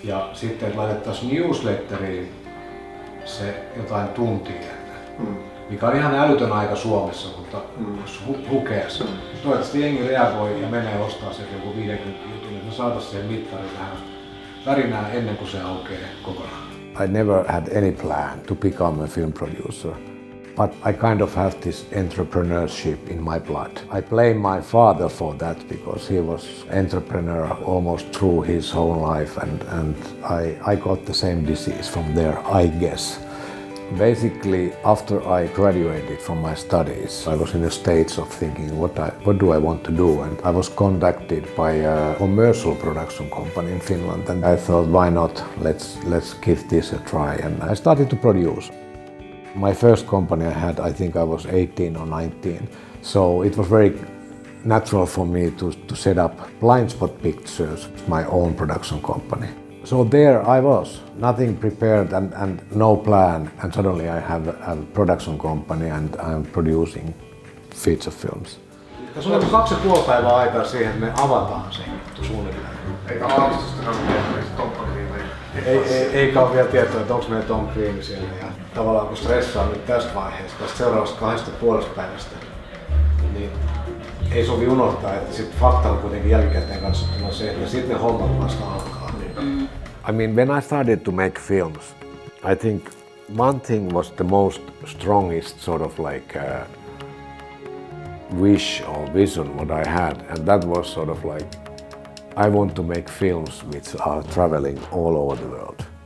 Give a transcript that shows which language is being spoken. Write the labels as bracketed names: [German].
[Finnish] Ja sitten laitettaisiin newsletteriin. Se jotain tuntia, mikä on ihan älytön aika Suomessa, mutta jos lukee se. Toivottavasti jengi reagoi ja menee ostaa sen joku 50 jutun, että me saataisiin siihen mittariin vähän värinää ennen kuin se aukeaa kokonaan. [English] I never had any plan to become a film producer, but I kind of have this entrepreneurship in my blood. I blame my father for that, because he was entrepreneur almost through his whole life, and I got the same disease from there, I guess. Basically, after I graduated from my studies, I was in a state of thinking, what do I want to do? And I was contacted by a commercial production company in Finland, and I thought, why not? Let's give this a try. And I started to produce. My first company I had, I think I was 18 or 19, so it was very natural for me to set up Blindspot Pictures, my own production company. So there I was, nothing prepared and no plan, and suddenly I have a production company and I'm producing feature films. [Finnish] Tässä on 2.5 päivää aikaa siihen, että me avataan se suunnitelma. Eikä aavistusta ole vielä, että Tom Green vai? Eikä ole vielä tietoa, että onko meillä Tom Green siellä. Ja tavallaan kun stressaa nyt tästä vaiheesta, tästä seuraavasta 2.5 päivästä, niin ei sovi unohtaa, että sitten fakta on kuitenkin jälkikäteen katsottuna se, että sitten ne hommat vasta alkaa. Niin. [English] I mean, when I started to make films, I think one thing was the most strongest sort of like wish or vision what I had, and that was sort of like, I want to make films which are traveling all over the world.